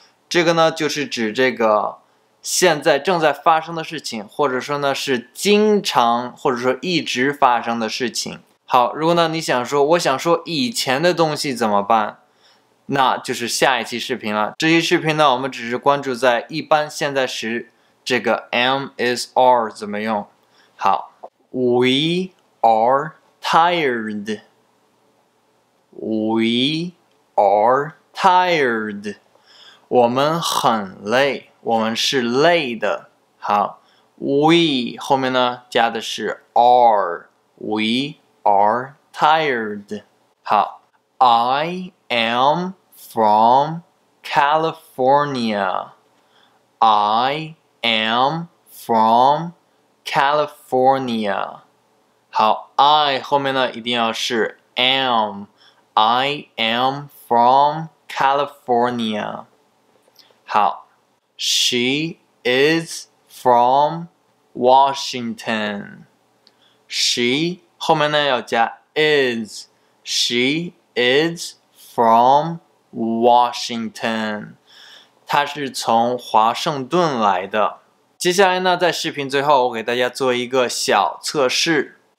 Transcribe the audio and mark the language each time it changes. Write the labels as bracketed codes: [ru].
[zh] 这个呢就是指这个现在正在发生的事情，或者说呢是经常或者说一直发生的事情。好，如果呢你想说我想说以前的东西怎么办，那就是下一期视频了。这期视频呢我们只是关注在一般现在时这个 am is are 怎么用。 [en] 好， We are tired， We are tired， [zh] 我们很累，我们是累的。好， We 后面呢加的是 are， [en] We are tired。好， I am from California， I am from California。 [zh] 好 ，I 后面呢一定要是 am。 [en] I am from California. 好 She is from Washington. [zh] She 后面呢要加 is. [en] She is from Washington. [zh] 她是从华盛顿来的。接下来呢，在视频最后，我给大家做一个小测试。